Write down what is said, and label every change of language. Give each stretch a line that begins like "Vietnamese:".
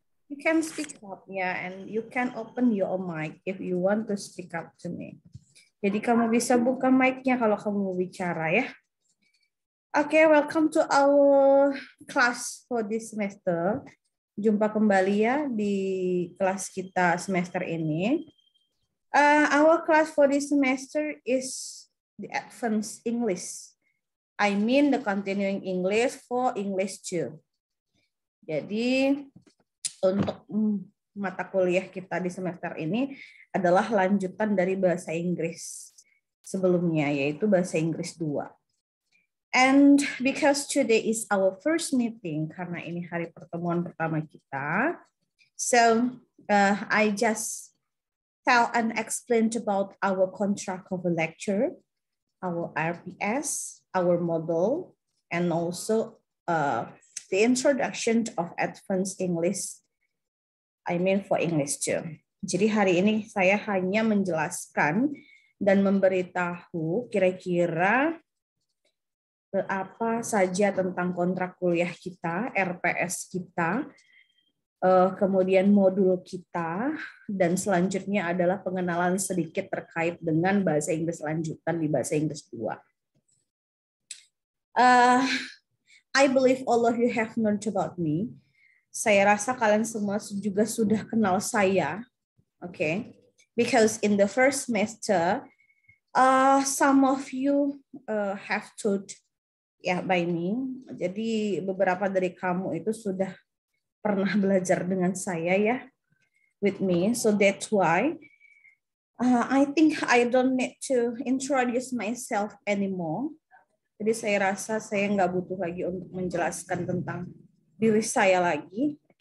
English: You can speak up, yeah, and you can open your mic if you want to speak up to me.
Indonesian: Jadi kamu bisa buka mic-nya kalau kamu bicara, ya.
English: Okay, welcome to our class for this semester.
Indonesian: Jumpa kembali ya di kelas kita semester ini.
English: Our class for this semester is the advanced English. I mean the continuing English for English 2.
Indonesian: Jadi untuk mata kuliah kita di semester ini adalah lanjutan dari bahasa Inggris sebelumnya, yaitu bahasa Inggris 2.
English: And because today is our first meeting,
Indonesian: karena ini hari pertemuan pertama kita,
English: so I just tell and explain about our contract of a lecture, our RPS, our model, and also the introduction of advanced English, I mean for English too.
Indonesian: Jadi hari ini saya hanya menjelaskan dan memberitahu kira-kira apa saja tentang kontrak kuliah kita, RPS kita, kemudian modul kita, dan selanjutnya adalah pengenalan sedikit terkait dengan bahasa Inggris lanjutan di bahasa Inggris 2.
English: I believe all of you have known about me.
Indonesian: Saya rasa kalian semua juga sudah kenal saya,
English: okay? Because in the first semester, some of you have told yeah, by me.
Indonesian: Jadi beberapa dari kamu itu sudah pernah belajar dengan saya ya,
English: with me. So that's why I think I don't need to introduce myself anymore.
Indonesian: Jadi saya rasa saya nggak butuh lagi untuk menjelaskan tentang diri saya lagi, oke?